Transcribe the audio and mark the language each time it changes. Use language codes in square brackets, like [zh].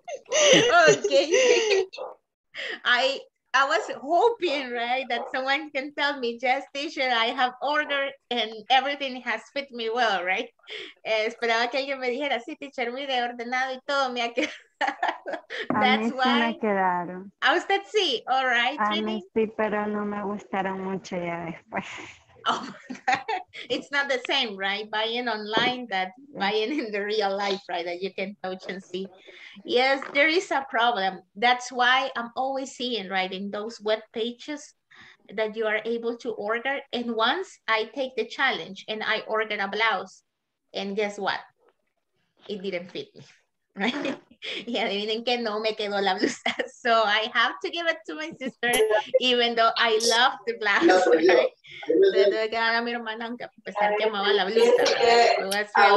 [en] Okay. I was hoping, right, that someone can tell me, yes, teacher, I have ordered and everything has fit me well, right? [es] Esperaba que alguien me dijera, sí, teacher, mire, ordenado y todo me ha quedado. [en] That's why. [es] A mí sí me quedaron. A usted sí, [en] all right. [es] A mí sí, pero no me gustaron mucho ya después. [en] Oh, it's not the same, right? Buying online that buying in the real life, right? That you can touch and see. Yes, there is a problem. That's why I'm always seeing, right, in those web pages that you are able to order. And once I take the challenge and I order a blouse, and guess what? It didn't fit me, right? [es] Y adivinen que no me quedó la blusa. [en] So I have to give it to my sister, even though I love the blouse. Right? [es] Le tuve que dar a mi hermana aunque a pesar que amaba la blusa.